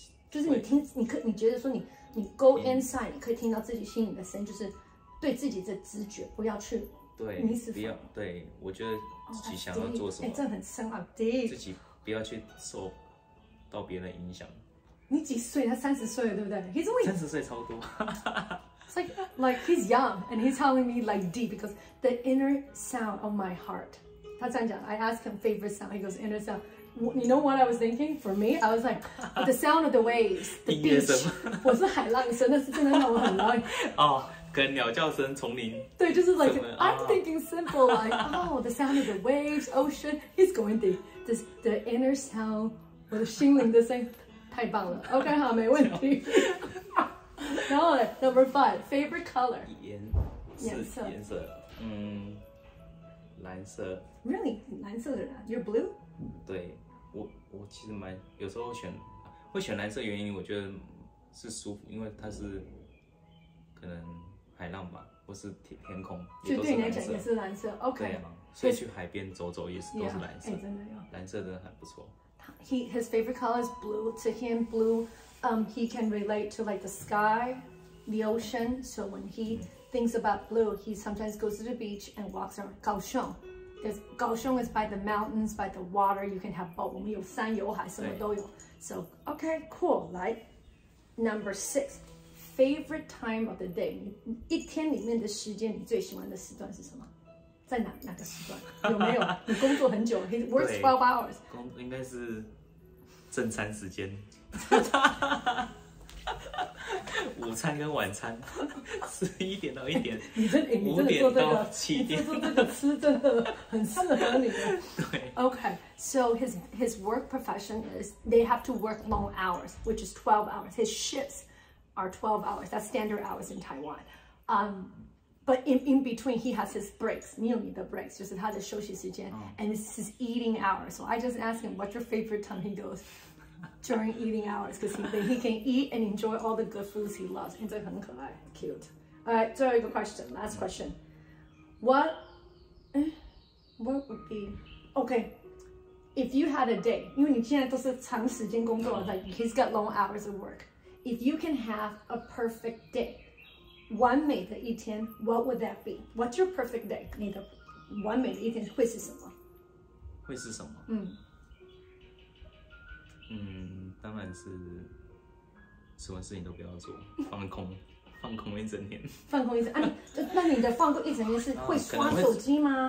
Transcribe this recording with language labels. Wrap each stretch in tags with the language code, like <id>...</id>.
<zh>就是你听，你觉得说你</zh> <en>go inside，</en> <zh>你可以听到自己心里的声音，就是对自己的直觉，不要去对，你是不要对。我觉得自己想要做什么，哎、这很深奥、啊。对，自己不要去受到别人的影响。你几岁？他三十岁了，对不对？其实我三十岁超多。</zh> <en>It's like he's young and he's telling me like deep because the inner sound of my heart.</en> <zh>他这样讲,</zh> <en>I asked him favorite sound. He goes inner sound. You know what I was thinking? For me, I was like the sound of the waves, the beach.</en> <zh>我是海浪声，那是真的让我很浪。哦，可能鸟叫声、丛林。</zh> <en>对，就是 like I'm thinking simple like oh the sound of the waves, ocean. He's going deep. The inner sound,</en> <zh>我的心灵的声音，太棒了。</zh> <en>OK,</en> <zh>好，没问题。然后呢</zh> <en>，Number five, favorite color</en> <zh>颜色，蓝色。</zh> <en>Really，</en> <zh>蓝色的人 ，</zh> <en>You're blue？</en> <zh>对，我其实蛮有时候会选蓝色，原因我觉得是舒服，因为它是可能海浪吧，或是天空，就对你来讲也是蓝色。OK，对啊，所以去海边走也是 yeah, 都是蓝色，真的有蓝色真的很不错。</zh> <en>His favorite color is blue. To him, blue. He can relate to like the sky, the ocean. So when he thinks about blue, he sometimes goes to the beach and walks around Kaohsiung. There's 高雄 is by the mountains, by the water. You can have both.</en> <zh>我们有山有海，什么都有。</zh> <en>So, okay, cool. 来 ，Number six, favorite time of the day.</en> <zh>一天里面的时间，你最喜欢的时段是什么？在哪个时段？有没有？你工作很久 ，</zh> <en>He works 12 hours.</en> <zh>工应该是正餐时间。午餐跟晚餐，11点到一点，五点到七点，你这个吃真的很适合你。对</zh> <en>，Okay, so his work profession is they have to work long hours, which is 12 hours. His shifts are 12 hours. That's standard hours in Taiwan. But in between, he has his breaks.</en> <zh>你有你的</zh> <en>breaks,</en> <zh>就是他的休息时间</zh> <en>and it's his eating hours. So I just ask him, what's your favorite time? He goes. During eating hours, because he can eat and enjoy all the good foods he loves. And it's very cute. All right,</en> <zh>最后一个</zh> <en>question, last question. What would be... Okay, if you had a day,</en> <zh>因为你现在都是长时间工作,</zh> <en>like he's got long hours of work. If you can have a perfect day,</en> <zh>完美的一天,</zh> <en>what would that be? What's your perfect day?</en> <zh>你的完美的一天会是什么? 会是什么? 当然是什么事情都不要做，放空，放空一整天。放空一整天、啊、那你的放空一整天是会刷手机吗？</zh>